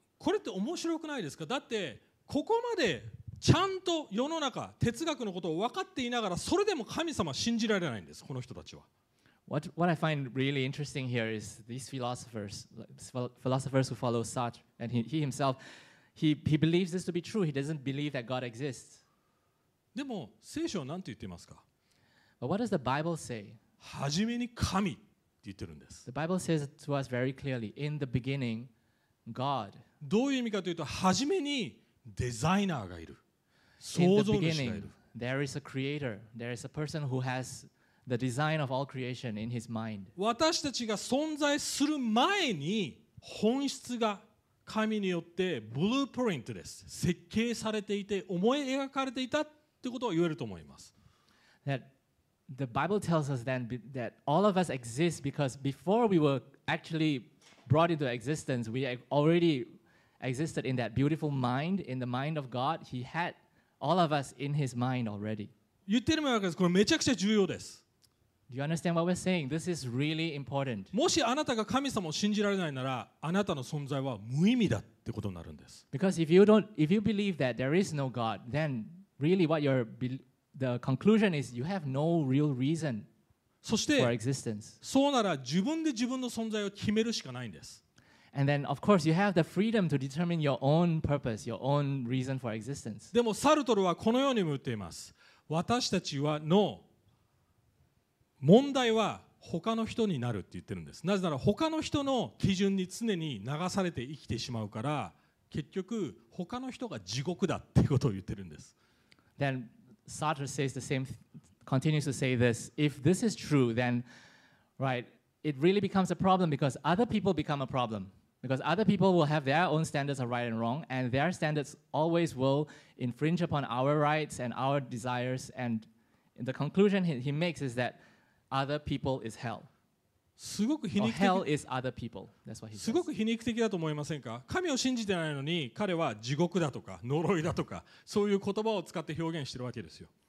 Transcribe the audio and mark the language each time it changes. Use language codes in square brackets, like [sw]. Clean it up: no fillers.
[ja] これって面白くないですか?だってここまでちゃんと世の中哲学のことを分かっていながらそれでも神様信じられないんですこの人たちは。 [en] What I find really interesting here is these philosophers who follow Sartre and he himself he believes this to be true. He doesn't believe that God exists. [ja] でも聖書は何て言っていますか? [en] But what does the Bible say? [ja] 初めに神って言ってるんです。 [en] The Bible says to us very clearly, in the beginning, God. [ja] どういう意味かというと、はじめにデザイナーがいる、創造主がいる。 [en] There is a creator. There is a person who has the design of all creation in his mind. [ja] 私たちが存在する前に本質が神によってブループリントです。設計されていて思い描かれていたということを言えると思います。 [en] That the Bible tells us then that all of us exist because before we were actually brought into existence, we alreadyexisted in that beautiful mind, in the mind of God. He had all of us in his mind already. [ja] 言ってるのは、これめちゃくちゃ重要です。 [en] Do you understand what we're saying? This is really important. [ja] もしあなたが神様を信じられないなら、あなたの存在は無意味だってことになるんです。 [en] Because if you believe that there is no God, then really what the conclusion is you have no real reason for existence. [ja] そうなら自分で自分の存在を決めるしかないんです。 [en] And then, of course, you have the freedom to determine your own purpose, your own reason for existence. [ja] でもサルトルはこのようにも言っています。私たちは [en] No. [ja] 問題は他の人になるって言ってるんです。なぜなら他の人の基準に常に流されて生きてしまうから、結局他の人が地獄だっていうことを言ってるんです。 [en] Then Sartre says the same, continues to say this. If this is true, then, right, it really becomes a problem because other people become a problem. Because other people will have their own standards of right and wrong, and their standards always will infringe upon our rights and our desires. And the conclusion he makes is that other people is hell. [ja] すごく皮肉的。 [en] Or hell is other people. That's what he says. [ja] すごく皮肉的だと思いませんか?神を信じてないのに彼は地獄だとか呪いだとかそういう言葉を使って表現してるわけですよ。